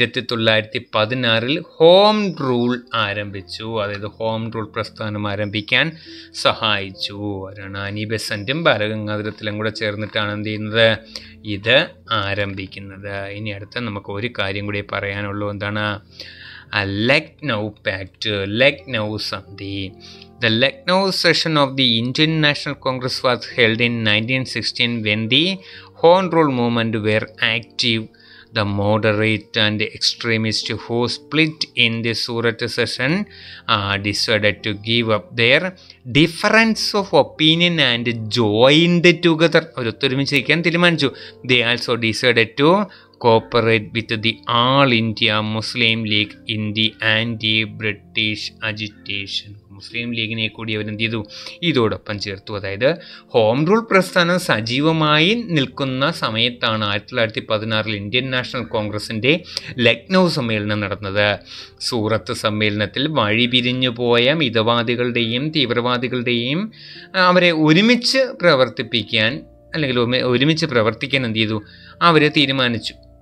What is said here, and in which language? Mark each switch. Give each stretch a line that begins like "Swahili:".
Malayalam: 1916 home rule ആരംഭിച്ചു, അതായത് home rule പ്രസ്ഥാനം ആരംഭിക്കാൻ സഹായിച്ചു. ആരാണ് ആനി ബെസൻറ്റും ബാലഗംഗാധരത്തിലും കൂടെ ചേർന്നിട്ടാണ് എന്ത് ചെയ്യുന്നത്? ഇത് ആരംഭിക്കുന്നത്. ഇനി അടുത്ത നമുക്ക് ഒരു കാര്യം കൂടി പറയാനുള്ളൂ. എന്താണ്? ലക്നൗ പാക്ട്, ലക്നൗ സന്ധി.
English: The Lucknow session of the Indian National Congress was held in 1916 when the Home Rule movement were active. The moderate and extremist who split in the Surat session decided to give up their difference of opinion and joined together.
Malayalam: Avaru thirumichikkan thirumanichu.
English: They also decided to cooperate with the All India Muslim League in the anti-British agitation.
Malayalam: മുസ്ലിം ലീഗിനെ കൂടി അവരെന്ത് ചെയ്തു? ഇതോടൊപ്പം ചേർത്തു. അതായത് home rule പ്രസ്ഥാനം സജീവമായി നിൽക്കുന്ന സമയത്താണ് 1916 ഇന്ത്യൻ നാഷണൽ കോൺഗ്രസിൻ്റെ ലക്നൗ സമ്മേളനം നടന്നത്. സൂറത്ത് സമ്മേളനത്തിൽ വഴിപിരിഞ്ഞു പോയ മിതവാദികളുടെയും തീവ്രവാദികളുടെയും അവരെ ഒരുമിച്ച് പ്രവർത്തിപ്പിക്കാൻ അല്ലെങ്കിൽ ഒരുമിച്ച് പ്രവർത്തിക്കാൻ എന്ത് ചെയ്തു? അവരെ തീരുമാനിച്ചു.